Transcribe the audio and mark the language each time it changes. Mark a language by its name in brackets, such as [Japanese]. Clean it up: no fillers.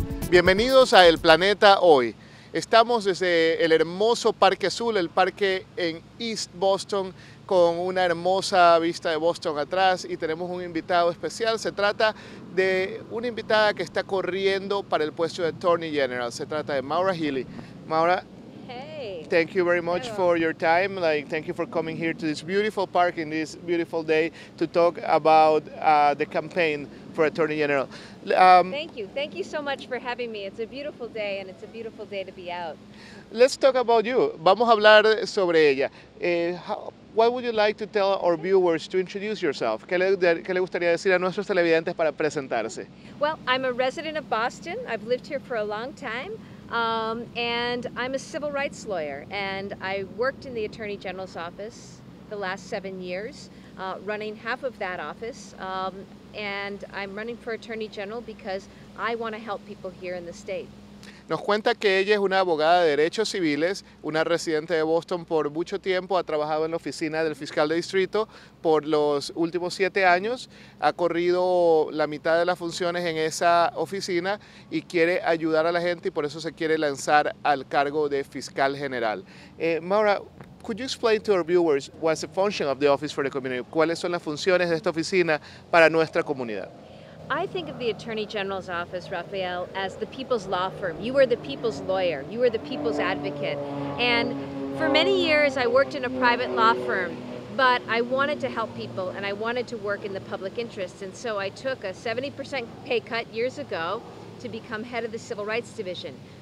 [Spanish] Bienvenidos a El Planeta Hoy. Estamos desde el hermoso Parque Azul, el parque en East Boston, con una hermosa vista de Boston atrás, y tenemos un invitado especial. Se trata de una invitada que está corriendo para el puesto de Attorney General. Se trata de MauraHealey. [English] Maura, thank you very much for your time. Like, thank you for coming here to this beautiful park in this beautiful day to talk about the campaign for Attorney General. Thank you so much for having me. It's a beautiful day, and it's a beautiful day to be out. Let's talk about you. [Spanish] Vamos a hablar sobre ella. [English] What would you like to tell our viewers to introduce yourself? [Spanish] ¿Qué le gustaría decir a nuestros televidentes para presentarse? [English] Well, I'm a resident of Boston. I've lived here for a long time. And I'm a civil rights lawyer, and I worked in the Attorney General's office the last 7 years, running half of that office. And I'm running for Attorney General because I want to help people here in the state. [Spanish] Nos cuenta que ella es una abogada de derechos civiles, una residente de Boston por mucho tiempo, ha trabajado en la oficina del fiscal de distrito por los últimos 7 años, ha corrido la mitad de las funciones en esa oficina y quiere ayudar a la gente y por eso se quiere lanzar al cargo de fiscal general. [English] Maura, could you explain to our viewers what's the function of the Office for the Community? [Spanish] ¿Cuáles son las funciones de esta oficina para nuestra comunidad? [English] I think of the Attorney General's office, Rafael, as the people's law firm. You are the people's lawyer. You are the people's advocate. And for many years, I worked in a private law firm, but I wanted to help people and I wanted to work in the public interest. And so I took a 70% pay cut years ago to become head of the Civil Rights Division.